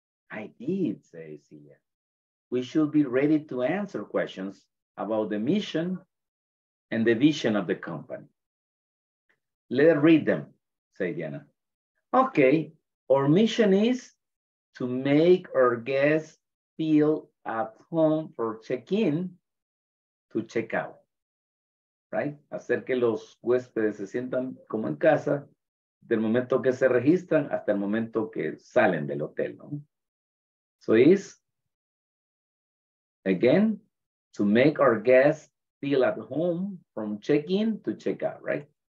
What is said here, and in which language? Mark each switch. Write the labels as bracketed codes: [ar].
[en] I did, says Celia. We should be ready to answer questions about the mission and the vision of the company. Let's read them, say Diana. Okay, our mission is to make our guests feel at home for check-in to check-out, right? [es] Hacer que los huéspedes se sientan como en casa del momento que se registran hasta el momento que salen del hotel, ¿no? [en] So it's, again, to make our guests feel at home from check-in to check-out, right?